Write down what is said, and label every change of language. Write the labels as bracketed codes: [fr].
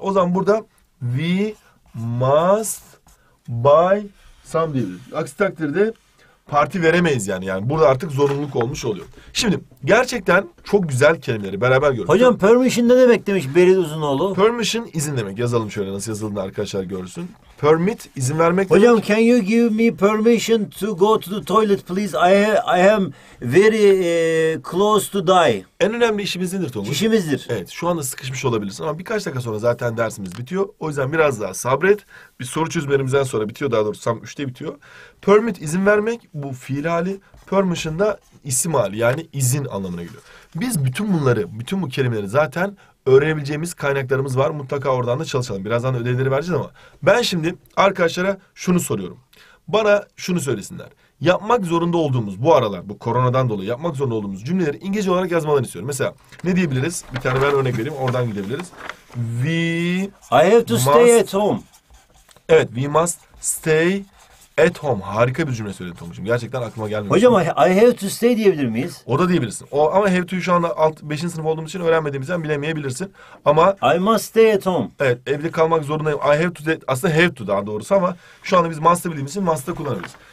[tr] O zaman burada [en] we must buy some [tr] diyebiliriz. Aksi takdirde parti veremeyiz yani. Yani burada artık zorunluluk olmuş oluyor. Şimdi gerçekten çok güzel kelimeleri beraber görüyoruz. Hocam permission ne demek demiş Beril Uzunoğlu. Permission izin demek. Yazalım şöyle nasıl yazıldığını arkadaşlar görsün. Permit, izin vermek demek. [en] Hocam, can you give me permission to go to the toilet please? I am very close to die. [tr] En önemli işimizdir Tolga. İşimizdir. Evet, şu anda sıkışmış olabilirsin ama birkaç dakika sonra zaten dersimiz bitiyor. O yüzden biraz daha sabret. Bir soru çözmelerimizden sonra bitiyor. Daha doğrusu tam 3'te bitiyor. Permit, izin vermek, bu fiil hali. Permission da isim hali, yani izin anlamına geliyor. Biz bütün bunları, bütün bu kelimeleri zaten öğrenebileceğimiz kaynaklarımız var. Mutlaka oradan da çalışalım. Birazdan ödevleri vereceğiz ama ben şimdi arkadaşlara şunu soruyorum. Bana şunu söylesinler. Yapmak zorunda olduğumuz bu aralar, bu koronadan dolayı yapmak zorunda olduğumuz cümleleri İngilizce olarak yazmalarını istiyorum. Mesela ne diyebiliriz? Bir tane ben örnek vereyim. Oradan gidebiliriz. [en] We must stay at home. Evet, we must stay at home. [tr] Harika bir cümle söyledin Tomcuğum. Gerçekten aklıma gelmiyor. Hocam, [en] I have to stay [tr] diyebilir miyiz? O da diyebilirsin. O, ama have to'yu şu anda 5. sınıf olduğumuz için öğrenmediğimizden bilemeyebilirsin. Ama [en] I must stay at home. [tr] Evet, evde kalmak zorundayım. [en] I have to stay, [tr] aslında have to daha doğrusu ama şu anda biz must'ı bildiğimiz için must'ı kullanırız.